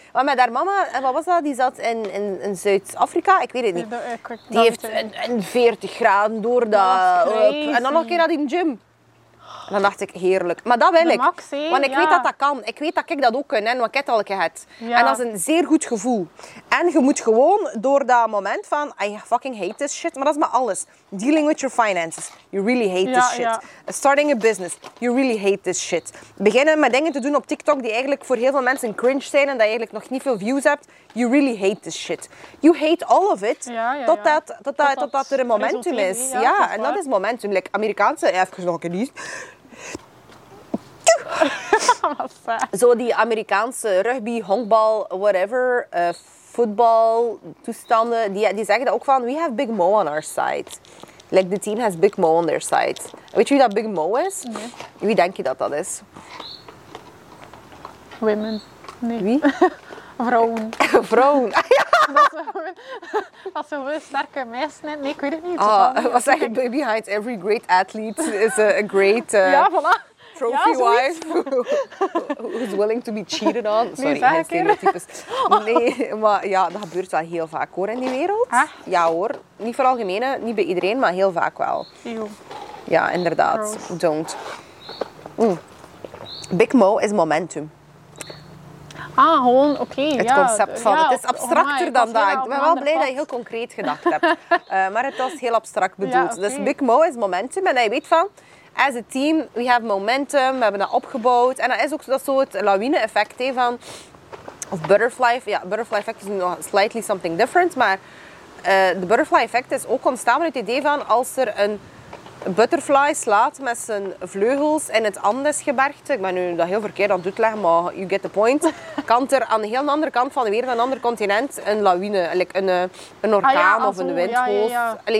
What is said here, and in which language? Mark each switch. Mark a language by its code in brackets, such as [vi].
[nl] Maar met haar mama, wat was dat? Die zat in Zuid-Afrika. Ik weet het niet. Die heeft een 40 graden door dat. Dat en dan nog een keer naar die gym. Dan dacht ik, heerlijk. Maar dat wil ik. Want ik weet dat dat kan. Ik weet dat ik dat ook kan. En wat ik het al heb. Ja. En dat is een zeer goed gevoel. En je moet gewoon door dat moment van... [en] I fucking hate this shit. [nl] Maar dat is maar alles. [en] Dealing with your finances. You really hate this shit. Ja. Starting a business. You really hate this shit. [nl] Beginnen met dingen te doen op TikTok die eigenlijk voor heel veel mensen cringe zijn. En dat je eigenlijk nog niet veel views hebt. [en] You really hate this shit. You hate all of it. [nl] Totdat er een momentum is. Ja, ja, en dat is momentum. Like Amerikaanse... Even nog een keer. Zo die Amerikaanse rugby, honkbal, whatever, voetbal toestanden, die zeggen dat ook van, [en] we have Big Mo on our side. Like, the team has Big Mo on their side. [nl] Weet je wie dat Big Mo is? Nee. Wie denk je dat dat is? [en] Women. Nee. [nl] Wie? Vrouwen. Vrouwen. Als we sterke meisjes net, nee, ik weet het niet. Wat zeg je? [en] Behind every great athlete is a great trophy-wife. Who's willing to be cheated on. Sorry, [nl] nee, geen stereotypes. Nee, maar ja, dat gebeurt wel heel vaak hoor in die wereld. Echt? Ja hoor. Niet voor algemene, niet bij iedereen, maar heel vaak wel. Eww. Ja, inderdaad. [en] Gross. Don't. Big Mo is momentum. [nl] Ah, gewoon, oké. Okay, het concept van, het is abstracter dan dat. Ik ben wel blij dat je heel concreet gedacht hebt. Maar het was heel abstract bedoeld. Ja, okay. Dus Big Mo is momentum. En je weet van, [en] as a team, we have momentum. [nl] We hebben dat opgebouwd. En dat is ook dat soort lawine-effect. Hè, van, of butterfly. [en] Ja, butterfly effect is nog slightly something different. [nl] Maar de butterfly effect is ook ontstaan met het idee van, als er een butterfly slaat met zijn vleugels in het Andesgebergte. Ik ben nu dat heel verkeerd aan het uitleggen, maar [en] you get the point. [nl] Kan er aan de heel andere kant van de wereld, een ander continent, een lawine, een orkaan of een windgolf.